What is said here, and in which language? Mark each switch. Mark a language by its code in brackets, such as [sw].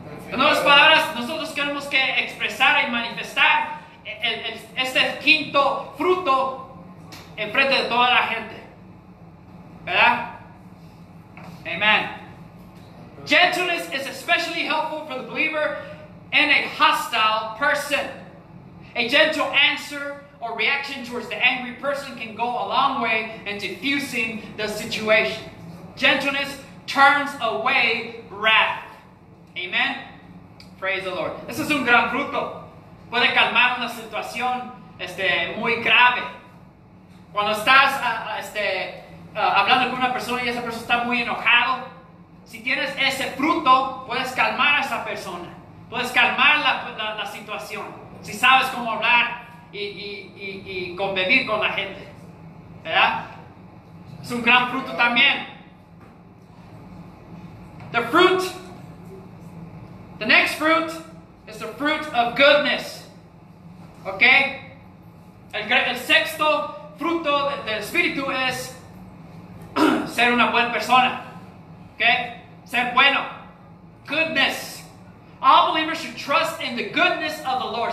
[es] En otras palabras, nosotros queremos que expresar y manifestar este quinto fruto en frente de toda la gente. ¿Verdad? Amen. [en] Gentleness is especially helpful for the believer and a hostile person. A gentle answer or reaction towards the angry person can go a long way in diffusing the situation. Gentleness turns away wrath. Amen? Praise the Lord. [es] Este es un gran fruto. Puede calmar una situación muy grave. Cuando estás hablando con una persona y esa persona está muy enojado, Si tienes ese fruto, puedes calmar a esa persona. Puedes calmar la situación. Si sabes cómo hablar y convivir con la gente. ¿Verdad? Es un gran fruto también. [en] The fruit. The next fruit is the fruit of goodness. Okay? [es] El sexto fruto del espíritu es ser una buena persona. Okay? Ser bueno. [en] Goodness. All believers should trust in the goodness of the Lord.